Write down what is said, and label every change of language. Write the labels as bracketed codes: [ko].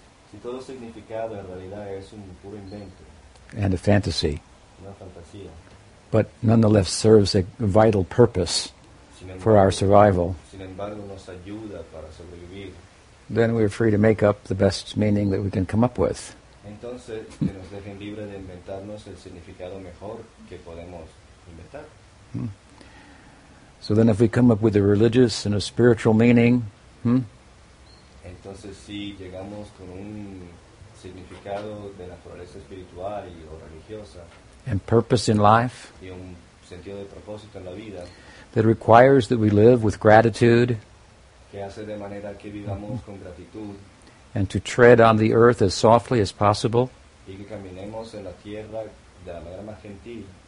[es] si todo significado en realidad es un puro invento, [en] and a fantasy, [es] una fantasía, [en] but nonetheless serves a vital purpose for our survival, [es] sin embargo, nos ayuda para sobrevivir. [en] Then we are free to make up the best meaning that we can come up with. [es] Entonces, que nos dejen libre de inventarnos el significado mejor que podemos inventar. [en] So then if we come up with a religious and a spiritual meaning, [es] Entonces, si llegamos con un significado de naturaleza espiritual y, o religiosa, [en] and purpose in life, [es] y un sentido de propósito en la vida, [en] that requires that we live with gratitude, [es] que hace de manera que vivamos con gratitud, [en] and to tread on the earth as softly as possible, [es] y que caminemos en la tierra de la manera más gentil,